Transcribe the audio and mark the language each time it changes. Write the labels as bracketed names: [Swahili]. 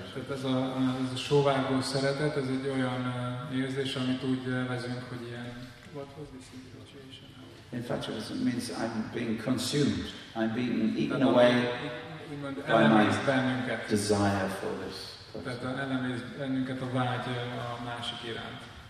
[Hungarian] Ez a sóvárgó szeretet, ez egy olyan érzés, amit úgy vezünk, hogy ilyen. [English] What was this infatuation? Infatuation means I'm being consumed. I'm being eaten away by my desire for this. [Hungarian] Tehát elemész bennünket a vágy a másik iránt.